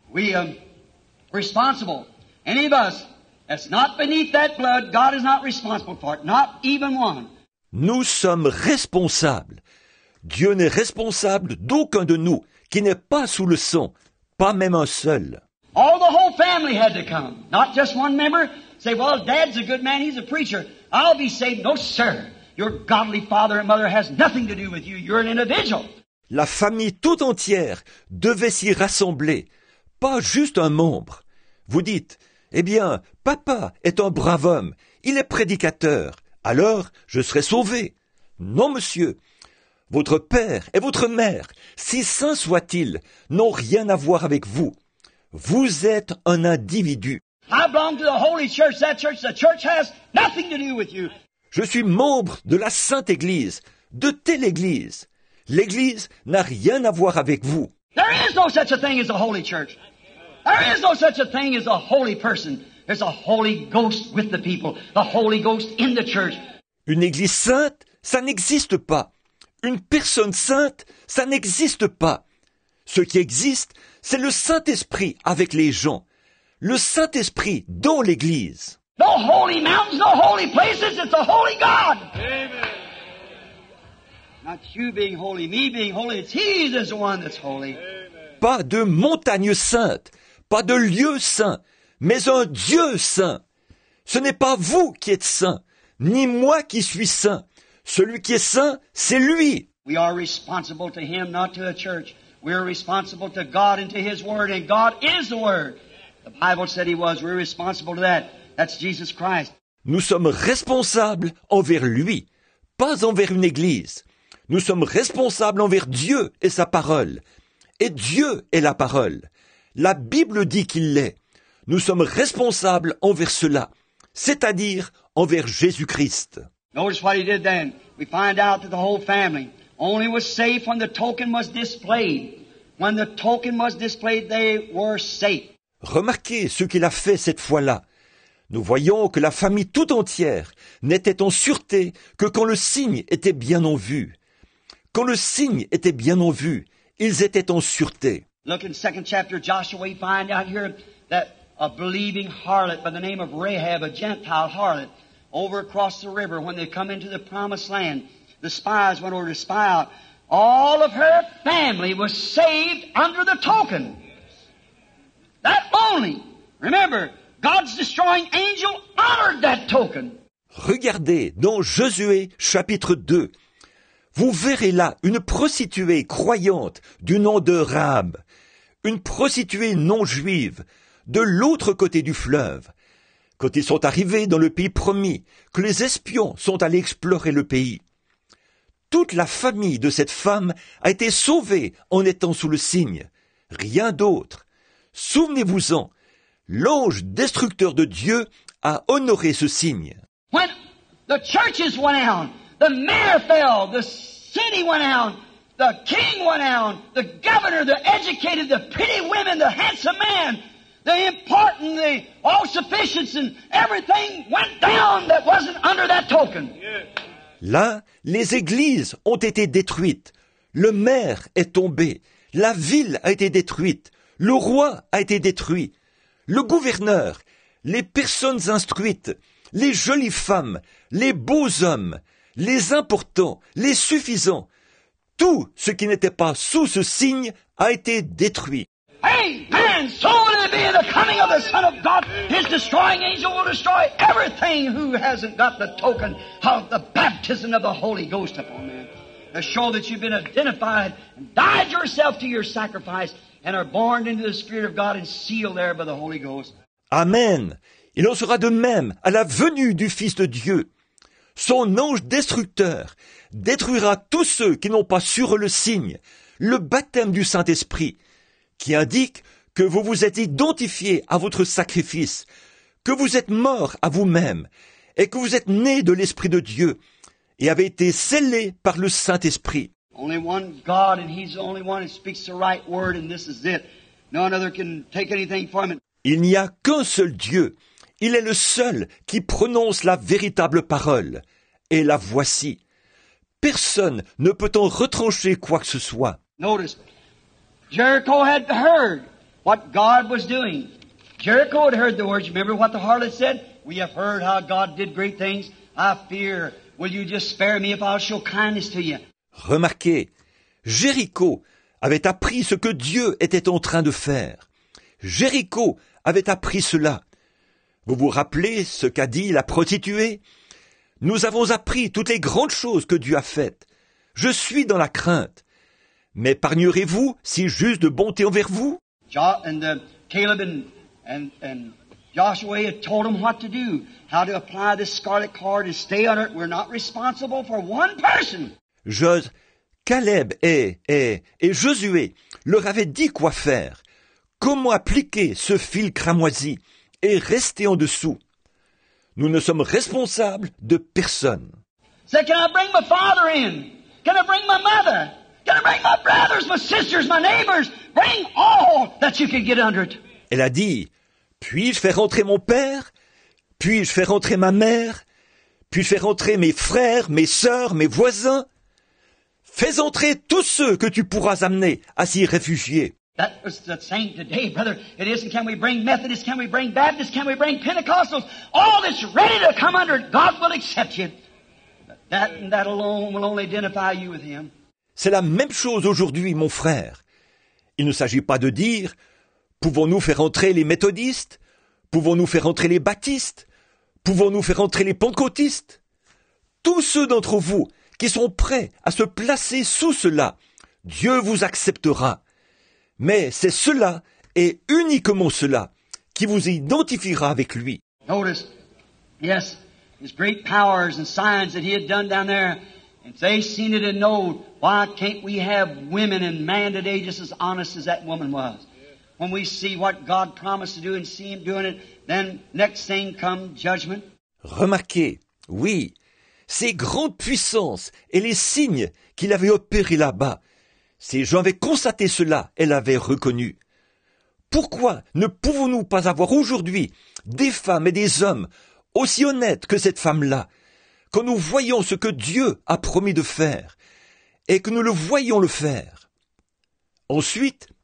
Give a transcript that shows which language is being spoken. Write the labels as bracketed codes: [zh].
[en] We are responsible. Any of us that's not beneath that blood, God is not responsible for it. Not even one. [fr] Nous sommes responsables. Dieu n'est responsable d'aucun de nous qui n'est pas sous le sang, pas même un seul. [en] All the whole family had to come, not just one member. Say, well, Dad's a good man, he's a preacher. I'll be saved. No, sir. Your godly father and mother has nothing to do with you. You're an individual. [fr] La famille toute entière devait s'y rassembler, pas juste un membre. Vous dites, eh bien, papa est un brave homme, il est prédicateur, alors je serai sauvé. Non, monsieur. Votre père et votre mère, si saints soient-ils, n'ont rien à voir avec vous. Vous êtes un individu. [en] I belong to the Holy Church. That church, the church has nothing to do with you. [fr] Je suis membre de la Sainte Église, de telle Église. L'Église n'a rien à voir avec vous. [en] There is no such a thing as a holy church. There is no such a thing as a holy person. There's a Holy Ghost with the people, the Holy Ghost in the church. [fr] Une Église sainte, ça n'existe pas. Une personne sainte, ça n'existe pas. Ce qui existe, c'est le Saint-Esprit avec les gens. Le Saint-Esprit dans l'Église. [en] No holy mountains, no holy places, it's the Holy God. Amen. Not you being holy, me being holy, it's He that's the one that's holy. Amen. [fr] Pas de montagne sainte, pas de lieu saint, mais un Dieu saint. Ce n'est pas vous qui êtes saint, ni moi qui suis saint. Celui qui est saint, c'est lui. [en] We are responsible to him, not to a church. We are responsible to God and to his word, and God is the word. The Bible said he was. We're responsible to that. That's Jesus Christ. [fr] Nous sommes responsables envers lui, pas envers une église. Nous sommes responsables envers Dieu et sa parole. Et Dieu est la parole. La Bible dit qu'il l'est. Nous sommes responsables envers cela, c'est-à-dire envers Jésus-Christ. [en] Notice what he did then. We find out that the whole family only was safe when the token was displayed. When the token was displayed, they were safe. [fr] Remarquez ce qu'il a fait cette fois-là. Nous voyons que la famille tout entière n'était en sûreté que quand le signe était bien en vue. Quand le signe était bien en vue, ils étaient en sûreté. [en] Look in 2nd chapter of Joshua, we find out here that a believing harlot by the name of Rahab, a Gentile harlot, over across the river, when they come into the promised land, the spies went over to spy out. All of her family was saved under the token. That only, remember, God's destroying angel honored that token. [fr] Regardez dans Josué chapitre 2. Vous verrez là une prostituée croyante du nom de Rahab, une prostituée non juive de l'autre côté du fleuve. Quand ils sont arrivés dans le pays promis, que les espions sont allés explorer le pays, toute la famille de cette femme a été sauvée en étant sous le signe, rien d'autre. Souvenez-vous-en, l'ange destructeur de Dieu a honoré ce signe. [en] When the churches went out, the mayor fell, the city went out, the king went out, the governor, the educated, the pretty women, the handsome man, the important, the all-sufficient, and everything went down that wasn't under that token. [fr] Là, les églises ont été détruites. Le maire est tombé. La ville a été détruite. Le roi a été détruit. Le gouverneur, les personnes instruites, les jolies femmes, les beaux hommes, les importants, les suffisants, tout ce qui n'était pas sous ce signe a été détruit. [en] Amen. So will it be the coming of the Son of God. His destroying angel will destroy everything who hasn't got the token of the baptism of the Holy Ghost upon them. To show that you've been identified and died yourself to your sacrifice and are born into the Spirit of God and sealed there by the Holy Ghost. Amen. [fr] Il en sera de même à la venue du Fils de Dieu. Son ange destructeur détruira tous ceux qui n'ont pas sur eux le signe, le baptême du Saint-Esprit, qui indique que vous vous êtes identifié à votre sacrifice, que vous êtes mort à vous-même et que vous êtes né de l'Esprit de Dieu et avez été scellé par le Saint-Esprit. [en] Only one God and he's the only one who speaks the right word and this is it. No other can take anything from it. [fr] Il n'y a qu'un seul Dieu. Il est le seul qui prononce la véritable parole. Et la voici. Personne ne peut en retrancher quoi que ce soit. [en] Notice, Jericho had heard what God was doing. Jericho had heard the words. Remember what the harlot said? We have heard how God did great things. I fear, will you just spare me if I'll show kindness to you? [fr] Remarquez, Jéricho avait appris ce que Dieu était en train de faire. Jéricho avait appris cela. Vous vous rappelez ce qu'a dit la prostituée? Nous avons appris toutes les grandes choses que Dieu a faites. Je suis dans la crainte. M'épargnerez-vous si j'use de bonté envers vous? [en] Caleb and Joshua had told them what to do, how to apply this scarlet cord and stay under it. We're not responsible for one person. [fr] Caleb et Josué leur avaient dit quoi faire, comment appliquer ce fil cramoisi et rester en dessous. Nous ne sommes responsables de personne. [en] Say, can I bring my father in? Can I bring my mother? Can I bring my brothers, my sisters, my neighbors? Bring all that you can get under it. [fr] Elle a dit, puis-je faire entrer mon père? Puis-je faire entrer ma mère? Puis-je faire entrer mes frères, mes sœurs, mes voisins? Fais entrer tous ceux que tu pourras amener à s'y réfugier. [en] That was the same today, brother. It isn't, can we bring Methodists, can we bring Baptists, can we bring Pentecostals? All that's ready to come under it, God will accept you. That and that alone will only identify you with him. [fr] C'est la même chose aujourd'hui, mon frère. Il ne s'agit pas de dire, pouvons-nous faire entrer les méthodistes? Pouvons-nous faire entrer les baptistes? Pouvons-nous faire entrer les pentecôtistes? Tous ceux d'entre vous qui sont prêts à se placer sous cela, Dieu vous acceptera. Mais c'est cela, et uniquement cela, qui vous identifiera avec lui. [en] Notice, yes, his great powers and signs that he had done down there, and they seen it and know, why can't we have women and man today just as honest as that woman was? When we see what God promised to do and see him doing it, then next thing come judgment. [fr] Remarquez, oui, ces grandes puissances et les signes qu'il avait opérés là-bas, ces gens avaient constaté cela et l'avaient reconnu. Pourquoi ne pouvons-nous pas avoir aujourd'hui des femmes et des hommes aussi honnêtes que cette femme-là, quand nous voyons ce que Dieu a promis de faire et que nous le voyons le faire? Ensuite,